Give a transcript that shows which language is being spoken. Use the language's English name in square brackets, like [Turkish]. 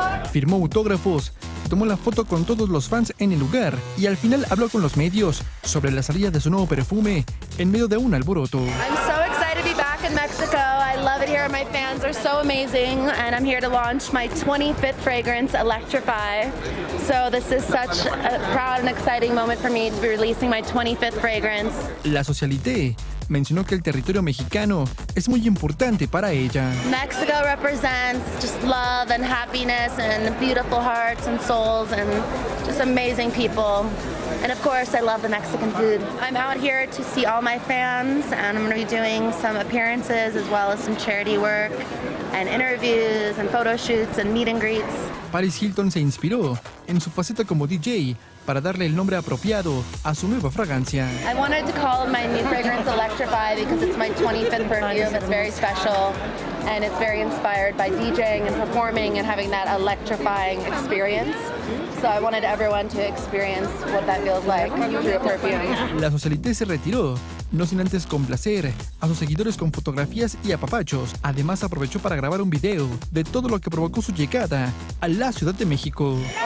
[Spanish] Firmó autógrafos, tomó la foto con todos los fans en el lugar y al final habló con los medios sobre la salida de su nuevo perfume en medio de un alboroto. [English] I'm so excited to be back in Mexico. I love it here. My fans are so amazing and I'm here to launch my 25th fragrance, Electrify. So this is such a proud and exciting moment for me to be releasing my 25th fragrance. [Spanish] La socialité mencionó que el territorio mexicano es muy importante para ella. [English] Mexico represents just love and happiness and beautiful hearts and souls and just amazing people. And of course, I love the Mexican food. I'm out here to see all my fans and I'm going to be doing some appearances as well as some charity work and interviews and photo shoots and meet and greets. [Spanish] Paris Hilton se inspiró en su faceta como DJ para darle el nombre apropiado a su nueva fragancia. [English] I wanted to call my new fragrance Electrify because it's my 25th perfume. It's very special and it's very inspired by DJing and performing and having that electrifying experience. So I wanted everyone to experience what that feels like through a perfume. [Spanish] La socialité se retiró, no sin antes complacer a sus seguidores con fotografías y apapachos. Además, aprovechó para grabar un video de todo lo que provocó su llegada a la Ciudad de México.